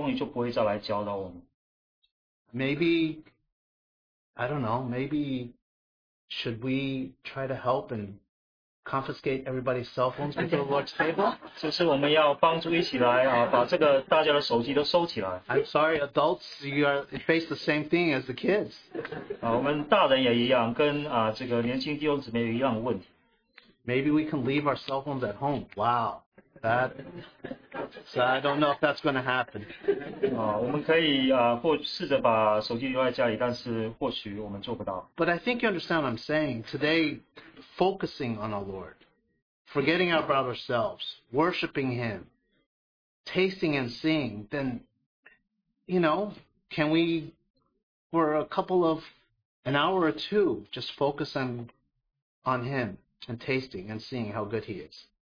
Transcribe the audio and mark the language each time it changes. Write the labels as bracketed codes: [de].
[zh] 就像这个最大的一个问题，就像我们年轻弟兄姐妹经历的，就是我们如果真正看到尝到这个主恩滋味的话，我们知道美善，这些东西就不会再来教导我们。 [en] Maybe I don't know. Maybe should we try to help and confiscate everybody's cell phones before the Lord's table? [zh] 就是我们要帮助一起来，把这个大家的手机都收起来。 [en] I'm sorry, adults, you face the same thing as the kids. [zh] 我们大人也一样，跟这个年轻弟兄姊妹一样的问题。 [en] Maybe we can leave our cell phones at home. Wow. So I don't know if that's going to happen. [zh] 我们可以试着把手机留在家里，但是或许我们做不到。 [en] But I think you understand what I'm saying. Today, focusing on our Lord, forgetting about ourselves, worshiping Him, tasting and seeing, then, you know, can we, for a couple of an hour or two, just focus on Him and tasting and seeing how good He is?